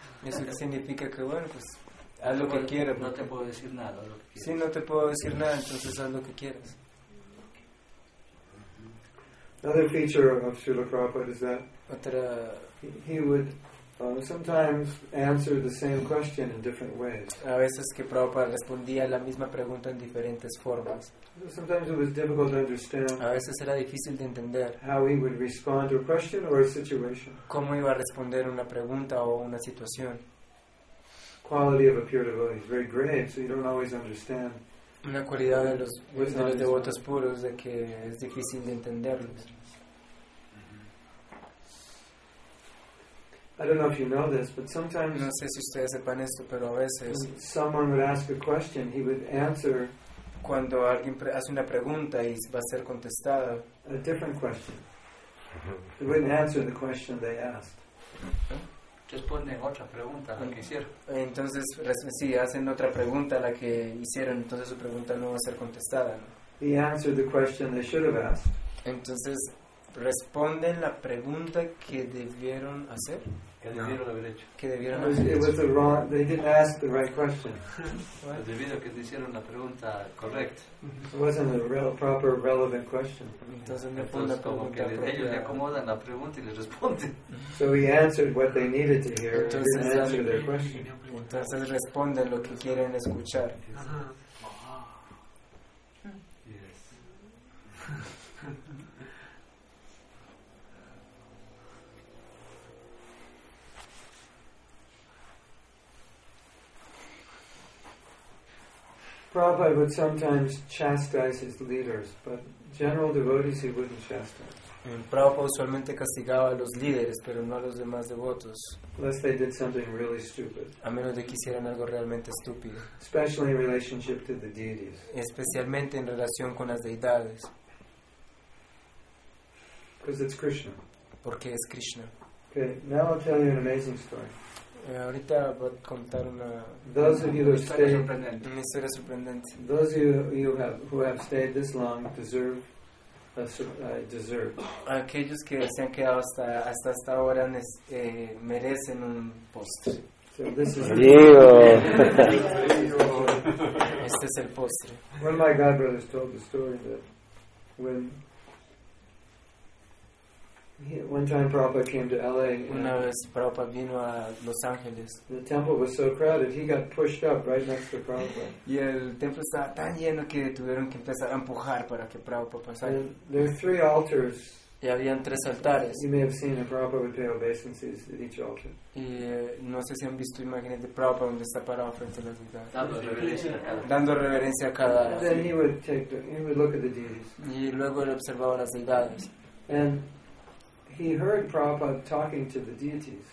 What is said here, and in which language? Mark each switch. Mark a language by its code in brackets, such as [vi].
[es] Eso significa que bueno, pues haz lo que quieras. No te puedo decir nada. Si no te puedo decir nada, entonces haz lo que quieras. [en] Another feature of Srila Prabhupada is that he would Sometimes answer the same question in different ways. [es] A veces que Prabhupada respondía la misma pregunta en diferentes formas. [en] Sometimes it was difficult to understand. [es] A veces era difícil de entender. [en] How he would respond to a question or a situation. [es] Cómo iba a responder una pregunta o una situación. [en] Quality of a pure devotee is very great, so you don't always understand. [es] Una cualidad de los devotos puros de que es difícil de entenderlos. [en] I don't know if you know this, but sometimes [es] no sé si ustedes sepan esto, pero a veces [en] someone would ask a question, he would answer [es] cuando alguien hace una pregunta y va a ser contestada [en] a different question. He wouldn't answer the question they asked. [es] Responden otra pregunta a la que hicieron. Entonces, sí, hacen otra pregunta a la que hicieron, entonces su pregunta no va a ser contestada. [en] He answered the question they should have asked. [es] Entonces responden la pregunta que debieron hacer. Que debieron haber hecho. Que debieron haber hecho. [en] It was the wrong, they didn't ask the right question. [es] Debido a que te hicieron la pregunta correcta. [en] It wasn't a real, proper, relevant question. [es] Entonces, no fue una como que ellos le acomodan la pregunta y le responden. [en] So he answered what they needed to hear. [es] Entonces, [en] didn't answer their question. [es] Entonces responden lo que quieren escuchar. [en] Prabhupada would sometimes chastise his leaders, but general devotees he wouldn't chastise. [es] Prabhupada usualmente castigaba a los líderes, pero no a los demás devotos. [en] Unless they did something really stupid. [es] A menos de que hicieran algo realmente estúpido. [en] Especially in relationship to the deities. [es] Especialmente en relación con las deidades. [en] Because it's Krishna. [es] Porque es Krishna. [en] Okay, now I'll tell you an amazing story. [es] Ahorita voy a contar una historia sorprendente. [en] Those of you who have stayed this long deserve a dessert. [es] Aquellos que se han quedado hasta esta hora merecen un postre. Diego. Este es el postre. [en] One of my god brothers told the story that when one time Prabhupada came to LA. [es] Una vez Prabhupada vino a Los Ángeles. [en] The temple was so crowded, he got pushed up right next to Prabhupada. [es] Y el templo estaba tan lleno que tuvieron que empezar a empujar para que Prabhupada pasara. [en] There were three altars. [es] Y habían tres altares. [en] You may have seen that Prabhupada would pay obeisances at each altar. [es] Y no sé si han visto imágenes de Prabhupada donde está parado frente a las deidades. Dando reverencia a cada. [en] Then he would take the, he would look at the deities. [es] Y luego él observaba las deidades. [en] And he heard Prabhupada talking to the deities.